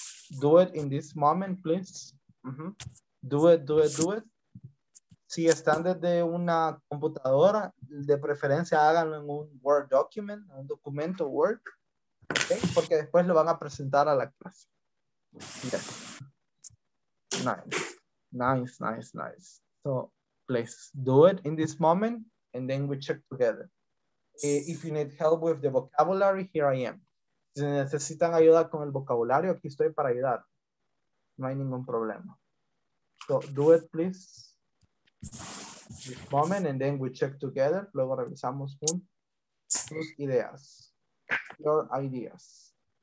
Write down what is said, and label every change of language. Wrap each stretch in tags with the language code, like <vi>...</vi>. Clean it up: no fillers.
<en>Do it in this moment, please. Mm-hmm. Do it, do it, do it.</en> <es>Si están desde una computadora, de preferencia háganlo en un Word document, un documento Word, okay? Porque después lo van a presentar a la clase.</es> <en>Yes. Nice. So, please do it in this moment, and then we check together. If you need help with the vocabulary, here I am.</en> <es>Si necesitan ayuda con el vocabulario, aquí estoy para ayudar. No hay ningún problema.</es> <en>So, do it, please. This moment, and then we check together.</en> <es>Luego revisamos sus ideas.</es> <en>Your ideas.</en>